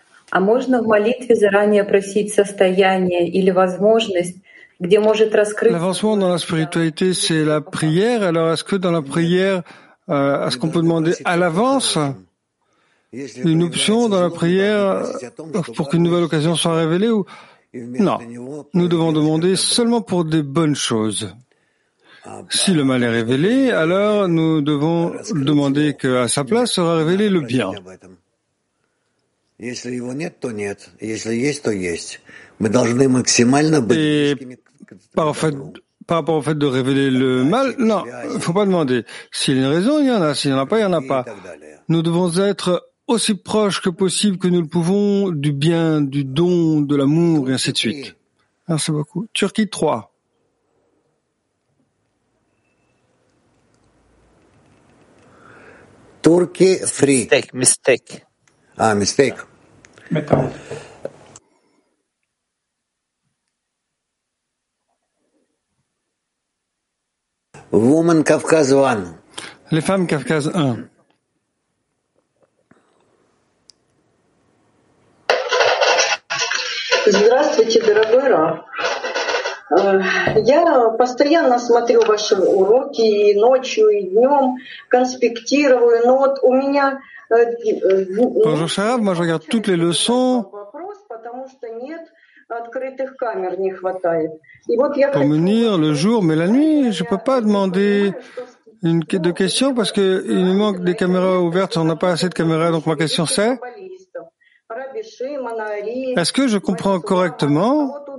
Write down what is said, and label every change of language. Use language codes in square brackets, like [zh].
[ru] А можно в молитве заранее просить состояние или возможность, где может раскрыться? [fr] L'avancement dans la spiritualité, c'est la prière. Alors, est-ce que dans la prière, est-ce qu'on peut demander à l'avance une option dans la prière pour qu'une nouvelle occasion soit révélée ou non? Nous devons demander seulement pour des bonnes choses. Si le mal est révélé, alors nous devons demander qu'à sa place sera révélé le bien. [ru] Если его нет, то нет. Если есть, то есть. Мы должны максимально быть. [fr] Par rapport au fait de révéler le mal, non, faut pas demander. S'il y a une raison, il y en a. S'il n'y en a pas, il n'y en a pas. Nous devons être aussi proches que possible que nous le pouvons du bien, du don, de l'amour, et ainsi de suite. Merci beaucoup. Turquie 3. Turquie 3. [en] Mistake. Ah, mistake. Woman Kavkaz 1. [fr] Les femmes Kavkaz 1. [ru] Здравствуйте, дорогой Ра. Я постоянно смотрю ваши уроки и ночью, и днем, конспектирую, но вот у меня... [fr] Bonjour, Sarah. Moi, je regarde toutes les leçons pour venir le jour, mais la nuit, je ne peux pas demander de questions parce qu'il nous manque des caméras ouvertes, on n'a pas assez de caméras. Donc, ma question, c'est est-ce que je comprends correctement?